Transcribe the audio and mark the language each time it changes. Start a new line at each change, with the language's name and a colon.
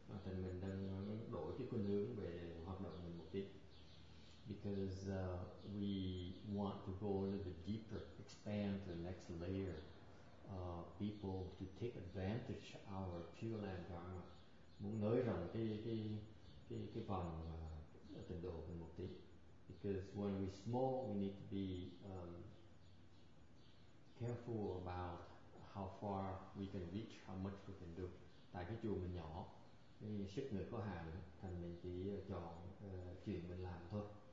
Vietnamese: Thành mình đang đổi cái khuynh hướng về hoạt động mình một tí.
English: Because we want to go a little bit deeper, expand to the next layer of people to take advantage of our Pure Land Dharma.
Vietnamese: Muốn nới rộng cái vòng trình độ mình một tí.
English: Because when we're small, we need to be careful about how far we can reach, how much we can do.
Vietnamese: Tại cái chùa mình nhỏ, sức người có hạn, thành mình chỉ chọn chuyện mình làm thôi.